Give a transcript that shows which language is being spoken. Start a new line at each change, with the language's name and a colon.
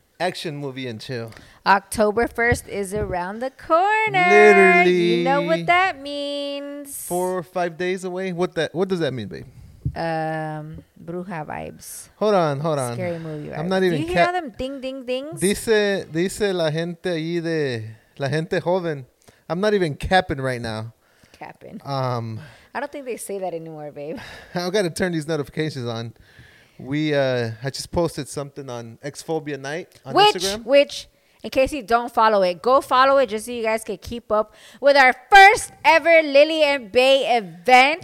English: Action movie and chill. October 1st is around the corner. Literally. You know what that means. 4 or 5 days away. What does that mean, babe? Bruja vibes. Hold on. Scary movie vibes. I'm not even. Do you hear all them ding, ding, dings?
Spanish: Dice la gente ahí de la gente joven.
English: I'm not even capping right now. Capping. I don't think they say that anymore, babe. I've got to turn these notifications on. I just posted something on Exphobia Night on Instagram. Which, in case you don't follow it, go follow it just so you guys can keep up with our first ever Lily and Bay event,